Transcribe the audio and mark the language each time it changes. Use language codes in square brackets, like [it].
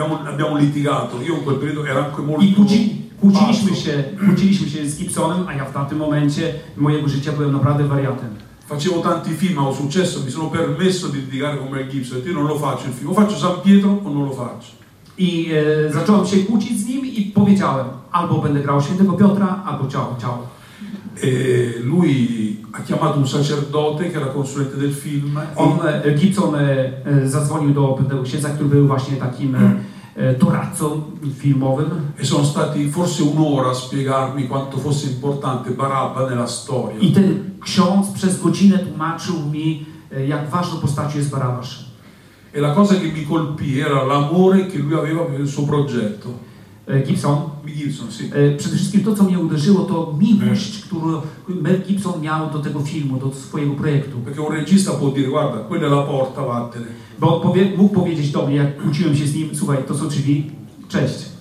[it] Abbiamo litigato, io in quel periodo ero anche molto... [pl] I kłóciliśmy się z Gibsonem, a ja w tamtym momencie mojego życia byłem naprawdę wariatem. [it] facevo tanti film, avevo successo, mi sono permesso di litigare con Mel Gibson, io non lo faccio il film, o faccio San Pietro o non lo faccio. [pl] I zacząłem się kłócić z nim i powiedziałem, albo będę grał świętego Piotra, albo ciao, ciao. [it] E lui ha chiamato un sacerdote che era consulente del film. [pl] On Gibson zadzwonił do pewnego księdza, który był właśnie takim doradcą filmowym. [it] E sono stati forse un'ora a spiegarmi quanto fosse importante Barabba nella storia. [pl] I ten ksiądz przez godzinę tłumaczył mi, jak ważną postacią jest Barabasz. [it] E la cosa che mi colpì era l'amore che lui aveva per il suo progetto. Gibson. Gibson, sì. [pl] Przede wszystkim to, co mnie uderzyło, to miłość, którą Mel Gibson miał do tego filmu, do swojego projektu. [it] Perché un regista può dire, guarda, quella è la porta, vattene. [pl] Bo mógł powiedzieć do mnie, jak kłóciłem się z nim, słuchaj, to są drzwi, cześć.